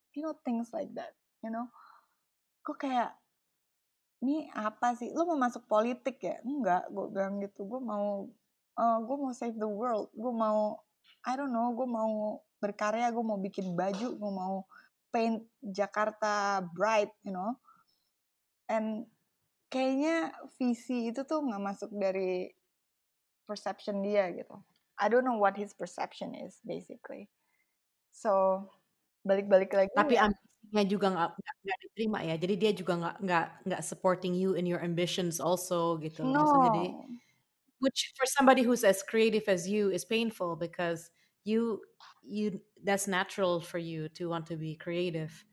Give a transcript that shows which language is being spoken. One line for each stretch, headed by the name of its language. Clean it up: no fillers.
English: You know, things like that, you know.
Indonesian: Kok kayak, ini apa sih? Lo mau masuk politik ya? Enggak, gue bilang gitu. Gue mau
English: save the world.
Indonesian: Gue mau,
English: I don't know,
Indonesian: gue mau berkarya, gue mau bikin baju, gue mau
English: paint Jakarta bright, you know.
Indonesian: And kayaknya visi itu tuh gak masuk dari perception dia gitu.
English: I don't know what his perception is, basically.
Indonesian: So, balik-balik lagi. Tapi ambisinya juga gak diterima ya. Jadi dia juga gak
English: supporting you in your ambitions also
Indonesian: gitu.
English: No. Jadi, which for somebody who's as creative as you is painful because you that's natural for you to want to be creative.